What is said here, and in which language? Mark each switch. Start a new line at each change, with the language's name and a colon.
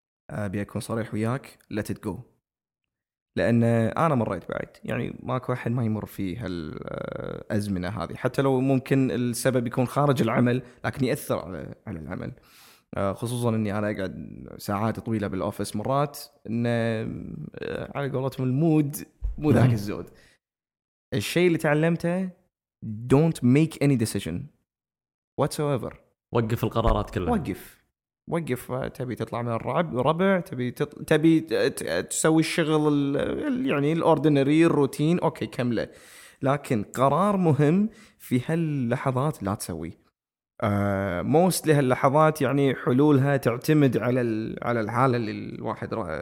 Arabic: أبي أكون صريح وياك،
English: let it go.
Arabic: لأن أنا مريت بعد، يعني ماكو أحد ما يمر في هالأزمنة هذه، حتى لو ممكن السبب يكون خارج العمل لكن يأثر على العمل، خصوصا أني أنا أقعد ساعات طويلة بالأوفيس مرات، إن على قولتهم المود مو ذاك الزود. الشيء اللي تعلمته
English: don't make any decision whatsoever،
Arabic: وقف القرارات كلها، وقف وقف. تبي تطلع من الرعب ربع، تبي تسوي الشغل يعني الاوردينري الروتين اوكي كمله، لكن قرار مهم في هاللحظات لا تسوي موست لهاللحظات، يعني حلولها تعتمد على الحاله اللي الواحد